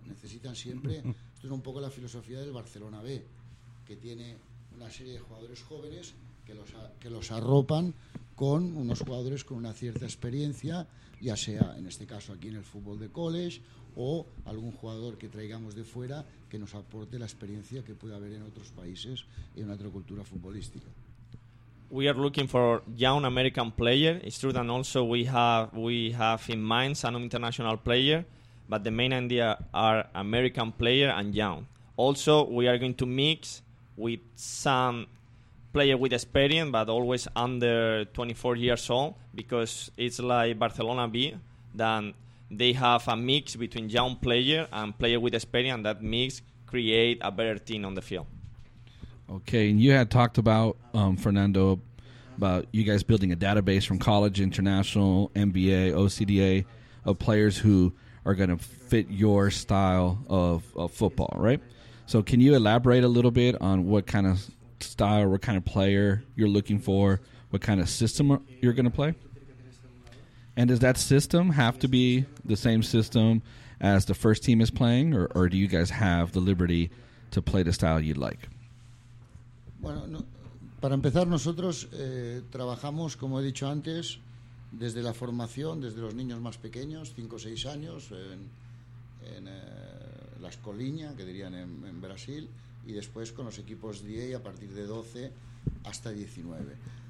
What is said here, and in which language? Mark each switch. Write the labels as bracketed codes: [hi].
[es] Necesitan siempre, esto es un poco la filosofía del Barcelona B, que tiene una serie de jugadores jóvenes que los arropan con unos jugadores con una cierta experiencia, ya sea en este caso aquí en el fútbol de college o algún jugador que traigamos de fuera que nos aporte la experiencia que pueda haber en otros países y en otra cultura futbolística. [en] We are looking for young American player. It's true that also we have in mind some international player, but the main idea are American player and young. Also, we are going to mix with some player with experience, but always under 24 years old, because it's like Barcelona B, that they have a mix between young player and player with experience. That mix create a better team on the field. Okay, and you had talked about, Fernando, about you guys building a database from college, international, NBA, OCDA, of players who are going to fit your style of football, right? So can you elaborate a little bit on what kind of style, what kind of player you're looking for, what kind of system you're going to play? And does that system have to be the same system as the first team is playing, or do you guys have the liberty to play the style you'd like? [es] Bueno, no, para empezar, nosotros trabajamos, como he dicho antes, desde la formación, desde los niños más pequeños, 5 o 6 años, en la Escoliña, que dirían en Brasil, y después con los equipos 10 a partir de 12 hasta 19.